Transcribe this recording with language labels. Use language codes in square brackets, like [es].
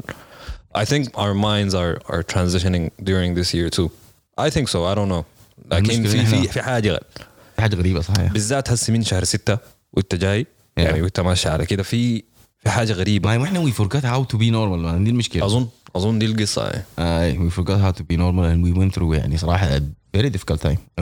[en] And I think our minds are transitioning during this year too. I think so. I don't know. [ar] لكن في حاجة غريبة صحيح. بالذات هسي من شهر 6 وانت جاي يعني وانت ماشي على كده في حاجة غريبة. ما احنا [en] we forgot how to be normal. [ar] ما دي المشكلة. أظن دي القصة. [en] We forgot how to be normal and we went through [ar] يعني صراحة [en] a very difficult time.